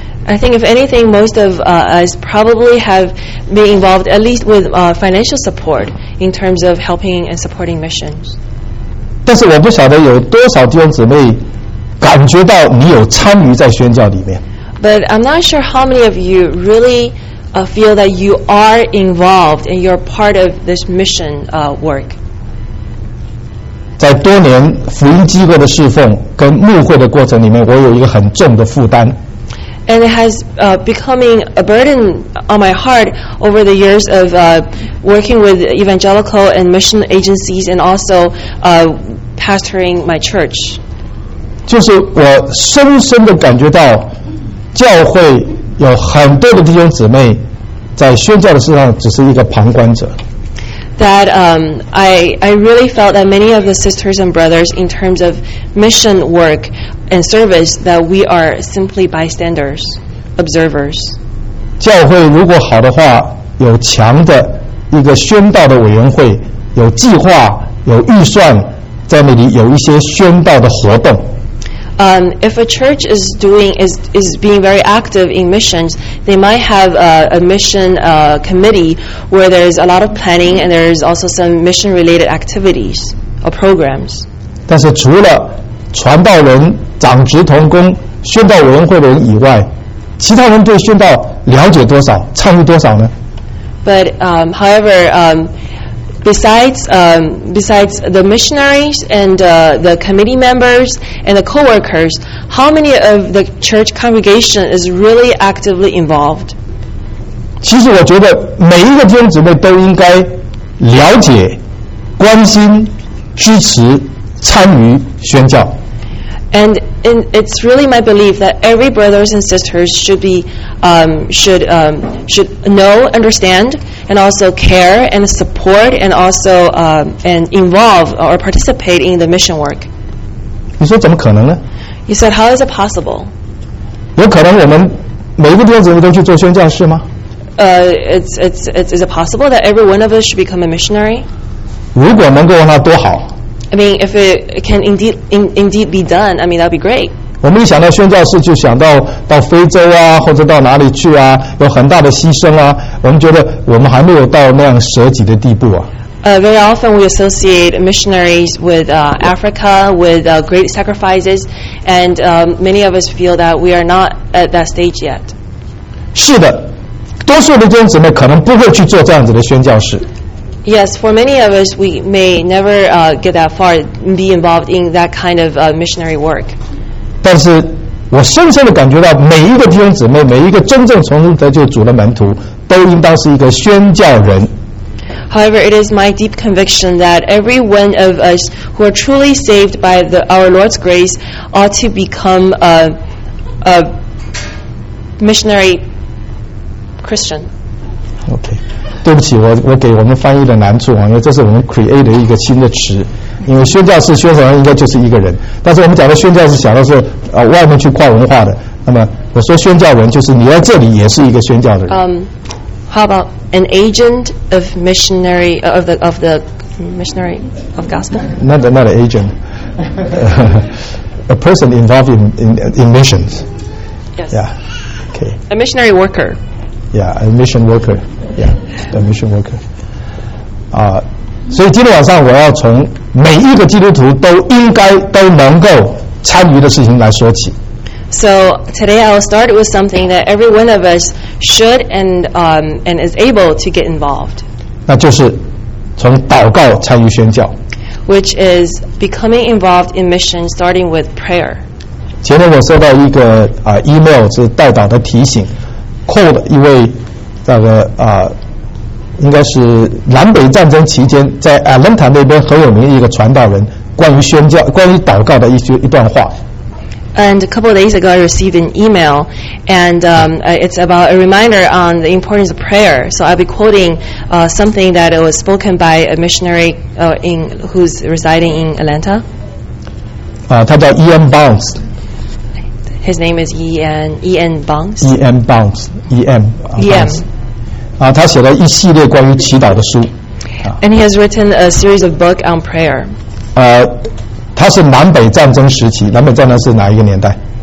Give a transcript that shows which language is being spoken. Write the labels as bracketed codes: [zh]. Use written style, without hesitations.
[en] I think if anything, most of us probably have been involved at least with financial support in terms of helping and supporting missions. [zh] 但是我不晓得有多少弟兄姊妹感觉到你有参与在宣教里面。 [en] But I'm not sure how many of you really feel that you are involved and you're part of this mission work. [zh] 在多年福音机构的侍奉跟牧会的过程里面，我有一个很重的负担。 [en] And it has becoming a burden on my heart over the years of working with evangelical and mission agencies and also pastoring my church. [zh] 就是我深深地感觉到教会有很多的弟兄姊妹在宣教的事上只是一个旁观者。 [en] That I really felt that many of the sisters and brothers in terms of mission work and service that we are simply bystanders, observers. [zh] 教会如果好的话，有强的一个宣道的委员会，有计划，有预算，在那里有一些宣道的活动。 [en] If a church is doing is being very active in missions, they might have a mission committee where there is a lot of planning and there is also some mission related activities or programs. [zh] 但是除了传道人、长职同工、宣道委员会的人以外，其他人对宣道了解多少、参与多少呢？ [en] But however, besides the missionaries and the committee members and the co-workers, how many of the church congregation is really actively involved? [zh] 其实我觉得每一个弟兄姊妹都应该了解、关心、支持、参与宣教。 [en] And it's really my belief that every brothers and sisters should be should know, understand, and also care and support and also and involve or participate in the mission work. [zh] 你说怎么可能呢？ [en] You said how is it possible? [zh] 有可能我们每一个弟兄姊妹都去做宣教士吗？ [en] Is it possible that every one of us should become a missionary? [zh] 如果能够的话，多好。 [en] I mean, if it can indeed be done, I mean, that'd be great. [zh] 我们一想到宣教士，就想到到非洲啊，或者到哪里去啊，有很大的牺牲啊。我们觉得我们还没有到那样舍己的地步啊。 [en] Very often we associate missionaries with Africa, with great sacrifices, and many of us feel that we are not at that stage yet. [zh] 是的，多数的弟兄姊妹可能不会去做这样子的宣教士。 [en] Yes, for many of us, we may never get that far, be involved in that kind of missionary work. [zh] 但是我深深地感觉到每一个弟兄姊妹，每一个真正从中得救主的门徒，都应当是一个宣教人。 [en] However, it is my deep conviction that every one of us who are truly saved by our Lord's grace ought to become a missionary Christian. Okay. [zh] 对不起，我给我们翻译的难处啊，因为这是我们 create 的一个新的词。因为宣教士、宣教人应该就是一个人，但是我们讲的宣教士，想的是外面去跨文化的。那么我说宣教人，就是你在这里也是一个宣教的人。 [en] How about an agent of missionary of the missionary of gospel? Not an agent. A person involved in missions. Yes. Yeah. Okay. A missionary worker. Yeah, a mission worker. Yeah, the mission worker. [zh] 所以今天晚上我要从每一个基督徒都应该都能够参与的事情来说起。 [en] So today I'll start with something that every one of us should and is able to get involved. [zh] 那就是从祷告参与宣教。 [en] Which is becoming involved in mission, starting with prayer. [zh] 前天我收到一个email 是代祷的提醒 ，called 一位。那个应该是南北战争期间，在 Atlanta 那边很有名一个传道人，关于宣教、关于祷告的一段话。 [en] And a couple of days ago, I received an email, and it's about a reminder on the importance of prayer. So I'll be quoting something that it was spoken by a missionary who's residing in Atlanta. [zh] 他叫 Ian Bounce。 [en] His name is E.N. Bounce. E.N. Bounce. E.M. E.M. [zh] 他写了一系列关于祈祷的书。 [en] And he has written a series of book on prayer. [zh] 他是南北战争时期，南北战争是哪一个年代？